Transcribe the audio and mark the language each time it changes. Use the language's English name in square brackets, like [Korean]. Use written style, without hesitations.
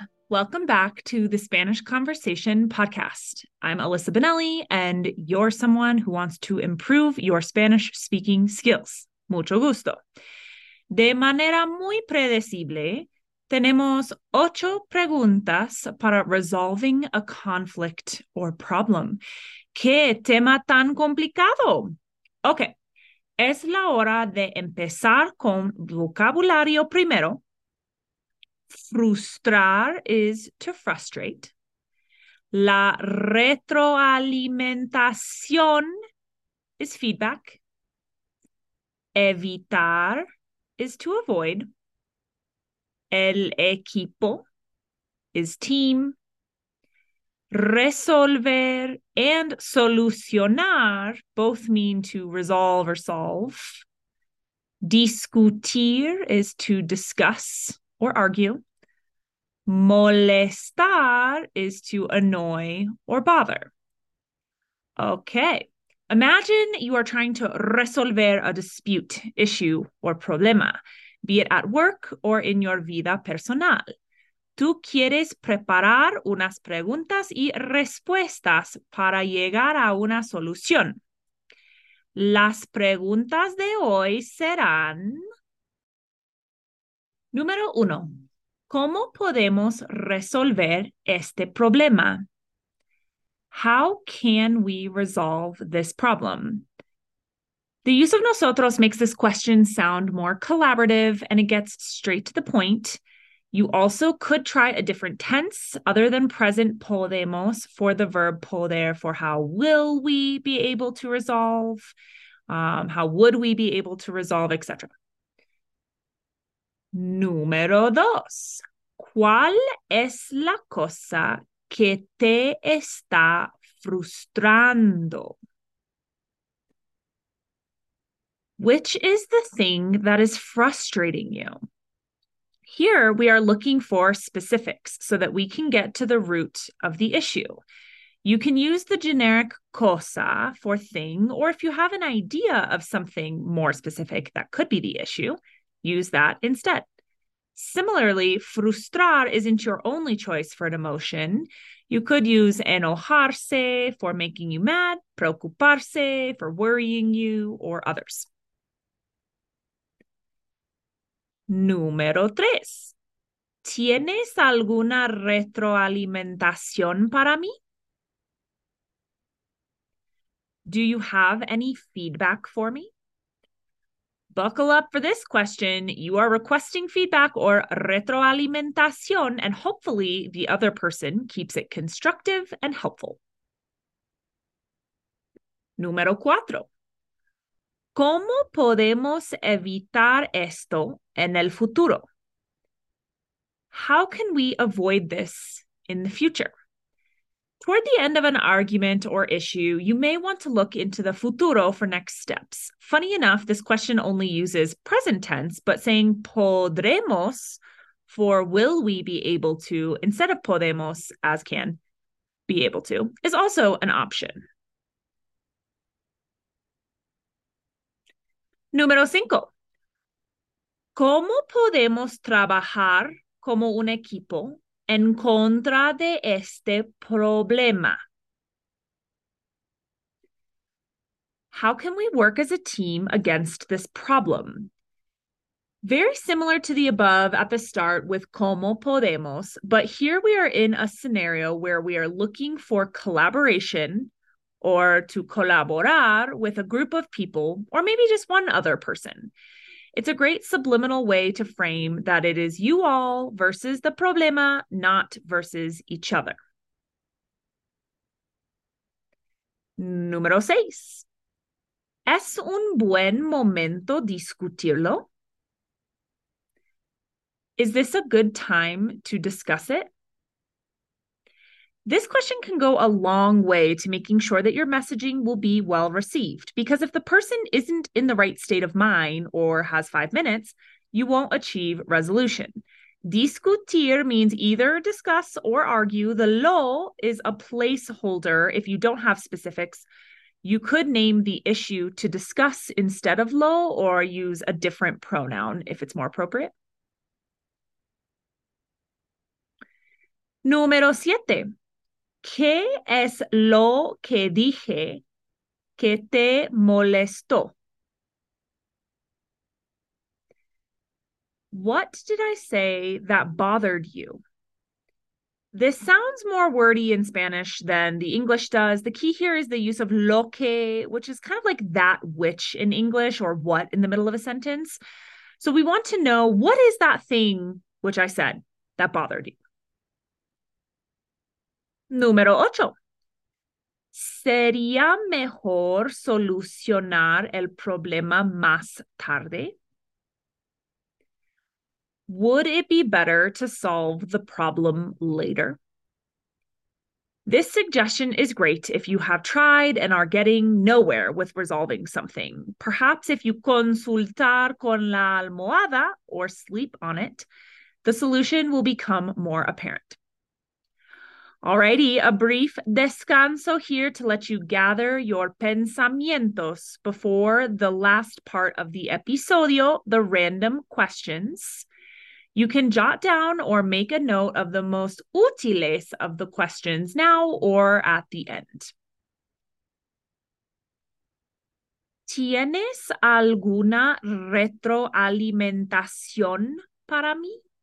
[English] Welcome back to the Spanish Conversation Podcast. I'm Alyssa Benelli, and you're someone who wants to improve your Spanish speaking skills. [Spanish] Mucho gusto. De manera muy predecible, tenemos 8 preguntas para [English] resolving a conflict or problem. [Spanish] ¿Qué tema tan complicado? Okay, es la hora de empezar con vocabulario primero. [English] Frustrar is to frustrate. La retroalimentación is feedback. Evitar is to avoid. El equipo is team. Resolver and solucionar both mean to resolve or solve. Discutir is to discuss or argue. Molestar is to annoy or bother. Okay, imagine you are trying to resolver a dispute, issue, or problema, be it at work or in your [Spanish] vida personal. Tú quieres preparar unas preguntas y respuestas para llegar a una solución. Las preguntas de hoy serán... Número 1. ¿Cómo podemos resolver este problema? [English] How can we resolve this problem? The use of nosotros makes this question sound more collaborative and it gets straight to the point. You also could try a different tense other than present podemos for the verb poder for how will we be able to resolve, how would we be able to resolve, etc. [Spanish] Número 2. ¿Cuál es la cosa que te está frustrando? [English] Which is the thing that is frustrating you? Here, we are looking for specifics so that we can get to the root of the issue. You can use the generic cosa for thing, or if you have an idea of something more specific that could be the issue, use that instead. Similarly, frustrar isn't your only choice for an emotion. You could use enojarse for making you mad, preocuparse for worrying you, or others. [Spanish] Número 3. ¿Tienes alguna retroalimentación para mí? [English] Do you have any feedback for me? Buckle up for this question. You are requesting feedback or retroalimentación, and hopefully the other person keeps it constructive and helpful. [Spanish] Número 4. ¿Cómo podemos evitar esto en el futuro? [English] How can we avoid this in the future? Toward the end of an argument or issue, you may want to look into the futuro for next steps. Funny enough, this question only uses present tense, but saying podremos for will we be able to instead of podemos as can be able to is also an option. [Spanish] Número 5. ¿Cómo podemos trabajar como un equipo en contra de este problema? [English] How can we work as a team against this problem? Very similar to the above at the start with [Spanish] cómo podemos, [English] but here we are in a scenario where we are looking for collaboration or to colaborar with a group of people or maybe just one other person. It's a great subliminal way to frame that it is you all versus the problema, not versus each other. [Spanish] Número 6. ¿Es un buen momento discutirlo? [English] Is this a good time to discuss it? This question can go a long way to making sure that your messaging will be well received, because if the person isn't in the right state of mind or has 5 minutes, you won't achieve resolution. Discutir means either discuss or argue. The lo is a placeholder if you don't have specifics. You could name the issue to discuss instead of lo or use a different pronoun if it's more appropriate. [Spanish] Número 7. ¿Qué es lo que dije que te molestó? [English] What did I say that bothered you? This sounds more wordy in Spanish than the English does. The key here is the use of lo que, which is kind of like that which in English, or what in the middle of a sentence. So we want to know, what is that thing which I said that bothered you? [Spanish] Número 8. ¿Sería mejor solucionar el problema más tarde? [English] Would it be better to solve the problem later? This suggestion is great if you have tried and are getting nowhere with resolving something. Perhaps if you [Spanish] consultar con la almohada [English] or sleep on it, the solution will become more apparent. Alrighty, a brief descanso here to let you gather your pensamientos before the last part of the episodio, the random questions. You can jot down or make a note of the most útiles of the questions now or at the end. [Spanish] ¿Tienes alguna retroalimentación para mí?